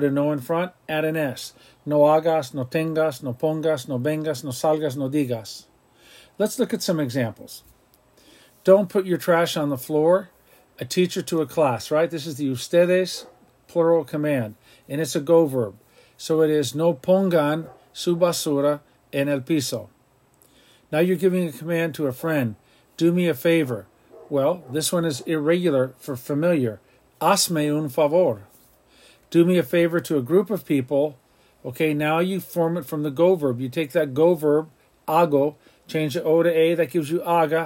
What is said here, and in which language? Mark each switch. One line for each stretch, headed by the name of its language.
English: put a no in front, add an S.
Spanish: No hagas, no tengas, no pongas, no vengas, no salgas, no digas.
English: Let's look at some examples. Don't put your trash on the floor. A teacher to a class, right? This is the ustedes plural command, and it's a go verb. So it is
Spanish: no pongan su basura en el piso.
English: Now you're giving a command to a friend. Do me a favor. Well, this one is irregular for familiar.
Spanish: Hazme un favor.
English: Do me a favor to a group of people. Okay, now you form it from the go verb. You take that go verb, hago, change the O to A, that gives you haga.